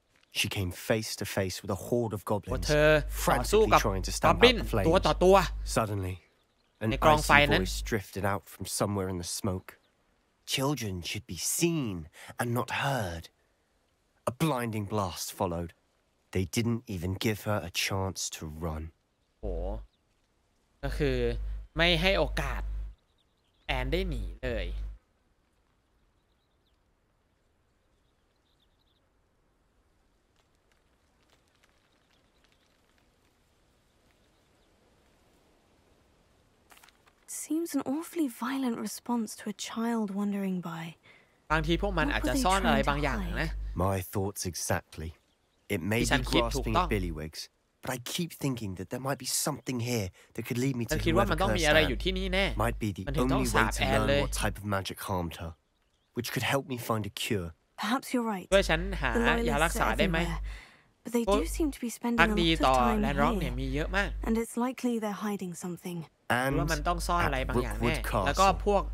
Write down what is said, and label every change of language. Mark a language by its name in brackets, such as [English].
[English] She came face to face with a horde of goblins, frantically trying to stamp out the flames. Suddenly, an icy voice drifted out from somewhere in the smoke. Children should be seen and not heard. A blinding blast followed. They didn't even give her a chance to run. [Thai] Or, ก็คือไม่ให้โอกาสแอนได้หนีเลย [English] เ seems an awfully violent response to a child wandering by [Thai] บางทีพวกมันอาจจะซ่อนอะไรบางอย่างนะ [English] My thoughts exactly it may be grasping at billywigs but I keep thinking that there might be something here that could lead me to whoever cursed her might be the only way to learn what type of magic harmed her which could help me find a cure perhaps you're right [Thai] ช่วยฉันหายารักษาได้ไหม [English] but they do seem to be spending a lot of time here [Thai] และร้องเนี่ยมีเยอะมาก [English] and it's likely they're hiding something [Thai] ว่ามันต้องซ่อนอะไรบางอย่างแน่แล้วก็พวก